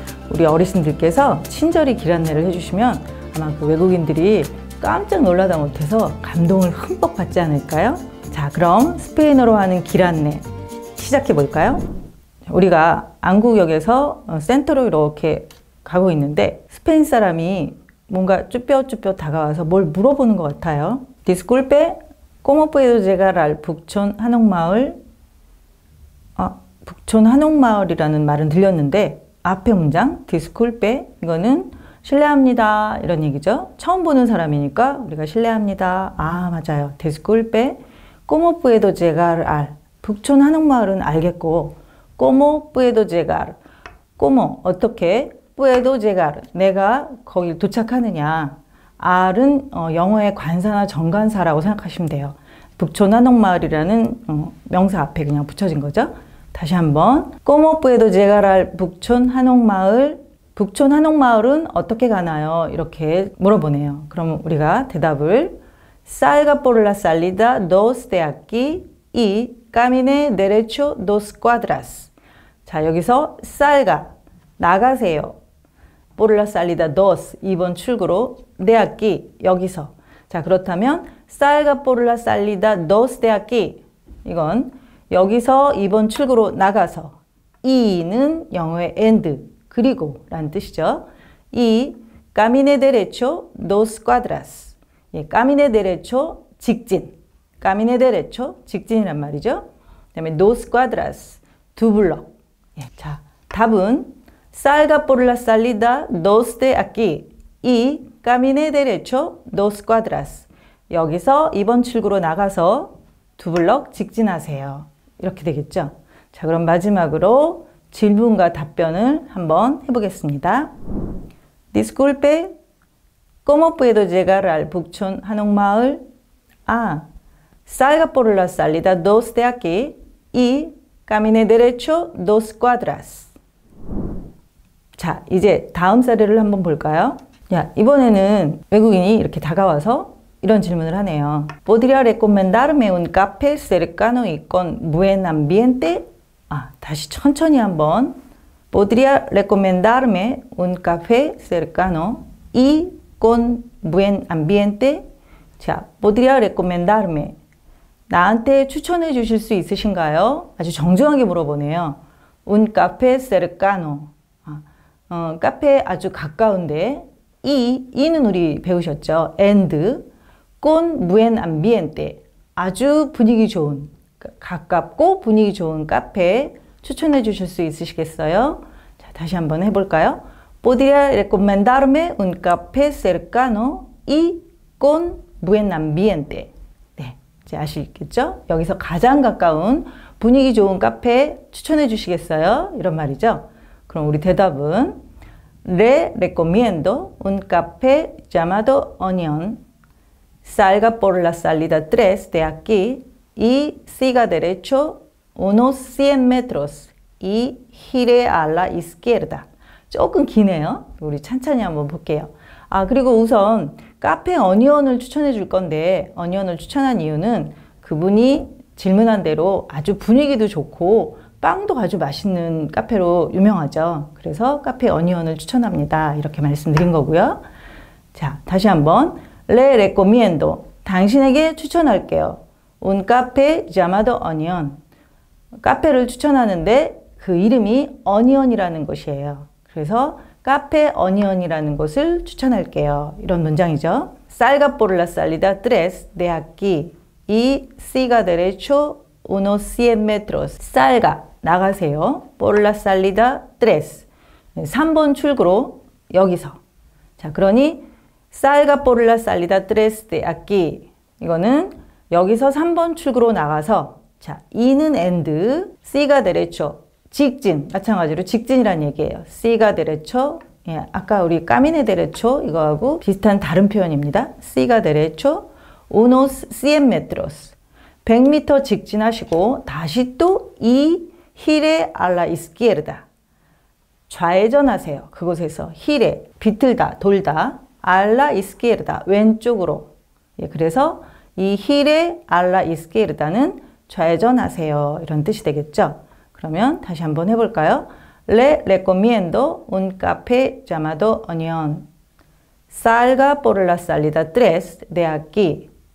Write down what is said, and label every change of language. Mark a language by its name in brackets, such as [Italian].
[Korean] 우리 어르신들께서 친절히 길 안내를 해주시면 아마 그 외국인들이 깜짝 놀라다 못해서 감동을 흠뻑 받지 않을까요? 자, 그럼 스페인어로 하는 길 안내 시작해 볼까요? 우리가 안국역에서 센터로 이렇게 가고 있는데 스페인 사람이 뭔가 쭈뼛쭈뼛 다가와서 뭘 물어보는 것 같아요. [Spanish] Disculpe, ¿cómo puedo llegar al 북촌 한옥마을? [Korean] 아, 북촌 한옥마을이라는 말은 들렸는데 앞에 문장 [Spanish] Disculpe, [Korean] 이거는 실례합니다 이런 얘기죠. 처음 보는 사람이니까 우리가 실례합니다. 아, 맞아요. [Spanish] Disculpe, ¿cómo puedo llegar al [Korean] 북촌 한옥마을은 알겠고 [Spanish] Como puedo llegar? Como, [Korean] 어떻게? [Spanish] Puedo llegar? [Korean] 내가 거기 도착하느냐? R은 영어의 관사나 정관사라고 생각하시면 돼요. 북촌 한옥마을이라는 명사 앞에 그냥 붙여진 거죠. 다시 한번. [Spanish] Como puedo llegar al 북촌 한옥마을? [Korean] 북촌 한옥마을은 어떻게 가나요? 이렇게 물어보네요. 그럼 우리가 대답을 [Spanish] Salga por la salida dos de aquí y Camine derecho dos cuadras. [Korean] 자, 여기서 살가, 나가세요. [Spanish] Por la salida dos, [Korean] 2번 출구로, [Spanish] de aquí, [Korean] 여기서. 자, 그렇다면 살가 [Spanish] por la salida dos de aquí. [Korean] 이건 여기서 2번 출구로 나가서. E는 영어의 end, 그리고 라는 뜻이죠. [Spanish] E, camine derecho dos cuadras. [Korean] 예, [Spanish] camine derecho, [Korean] 직진. [Spanish] Camine derecho, [Korean] 직진이란 말이죠. 그 다음에 [Spanish] dos cuadras, [Korean] 두 블럭. [Spanish] 예, 자, 답은 Salga por la salida dos de aquí y camine derecho dos cuadras. [Korean] 여기서 2번 출구로 나가서 두 블럭 직진하세요. 이렇게 되겠죠. 자, 그럼 마지막으로 질문과 답변을 한번 해보겠습니다. [Spanish] Disculpe, ¿cómo puedo llegar al 북촌 한옥마을? 아, Salga por la salida dos de aquí y camine derecho dos cuadras. [Korean] 자, 이제 다음 사례를 한번 볼까요? 야, 이번에는 외국인이 이렇게 다가와서 이런 질문을 하네요. [Spanish] ¿Podría recomendarme un café cercano y con buen ambiente? [Korean] 아, 다시 천천히 한번. [Spanish] ¿Podría recomendarme un café cercano y con buen ambiente? 자, ¿Podría recomendarme? [Korean] 나한테 추천해 주실 수 있으신가요? 아주 정중하게 물어보네요. [Spanish] Un café cercano. [Korean] 카페 아주 가까운데 이는 우리 배우셨죠. [Spanish] And con buen ambiente. [Korean] 아주 분위기 좋은, 가깝고 분위기 좋은 카페 추천해 주실 수 있으시겠어요? 자, 다시 한번 해볼까요? [Spanish] Podría recomendarme un café cercano y con buen ambiente. [Korean] 이제 아시겠죠? 여기서 가장 가까운 분위기 좋은 카페 추천해 주시겠어요? 이런 말이죠. 그럼 우리 대답은 [Spanish] Le recomiendo un café llamado Onion. Salga por la salida 3 de aquí y siga derecho unos 100 metros y gire a la izquierda. [Korean] 조금 기네요. 우리 천천히 한번 볼게요. 아, 그리고 우선 카페 어니언을 추천해 줄 건데 어니언을 추천한 이유는 그분이 질문한 대로 아주 분위기도 좋고 빵도 아주 맛있는 카페로 유명하죠. 그래서 카페 어니언을 추천합니다. 이렇게 말씀드린 거고요. 자, 다시 한번 [Spanish] Le recomiendo. [Korean] 당신에게 추천할게요. [Spanish] Un café llamado Onion. [Korean] 카페를 추천하는데 그 이름이 어니언이라는 것이에요. 그래서 카페 어니언이라는 곳을 추천할게요. 이런 문장이죠. [Spanish] Salga por la salida 3 de aquí y siga derecho unos 100 metros. Salga, [Korean] 나가세요. [Spanish] Por la salida 3. [Korean] 3번 출구로 여기서. 자, 그러니 살가 [Spanish] por la salida 3 de aquí. [Korean] 이거는 여기서 3번 출구로 나가서 자, E는 end, C가 derecho, 직진. 마찬가지로 직진이란 얘기예요. [Spanish] C가 derecho, [Korean] 예, 아까 우리 [Spanish] camine derecho [Korean] 이거하고 비슷한 다른 표현입니다. [Spanish] C가 derecho, unos 100 metros. [Korean] 100m 직진하시고 다시 또 E, [Spanish] gire a la izquierda. [Korean] 좌회전하세요. 그곳에서 gire, 비틀다, 돌다, [Spanish] a la izquierda, [Korean] 왼쪽으로. 예, 그래서 이 [Spanish] gire a la izquierda [Korean] 는 좌회전하세요. 이런 뜻이 되겠죠. 그러면 다시 한번 해볼까요? [Spanish] Le recomiendo un café llamado Onion. Salga por la salida 3 de aquí.